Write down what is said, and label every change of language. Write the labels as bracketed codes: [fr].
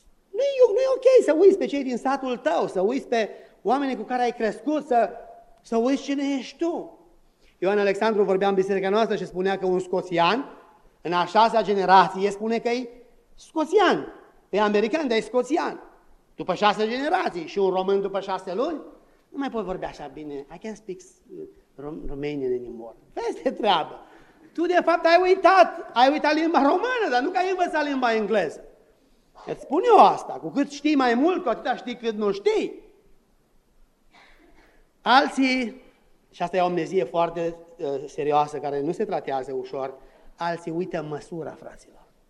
[ro] Nu-i ok să uiți pe cei din satul tău, să uiți pe oamenii cu care ai crescut, să uiți cine ești tu. Ioan Alexandru vorbea în biserica noastră și spunea că un scoțian, în a șasea generație, spune că e scoțian. E american, dar e scoțian. După 6 generații și un român după 6 luni, nu mai pot vorbea așa bine. [en] I can't speak Romanian anymore. [ro] Veste treabă. Tu, de fapt, ai uitat limba română, dar nu că ai învățat limba engleză. Îți spun eu asta. Cu cât știi mai mult, cu atâta știi cât nu știi. Alții, și asta e o amnezie foarte serioasă, care nu se tratează ușor, alții uită măsura, fraților.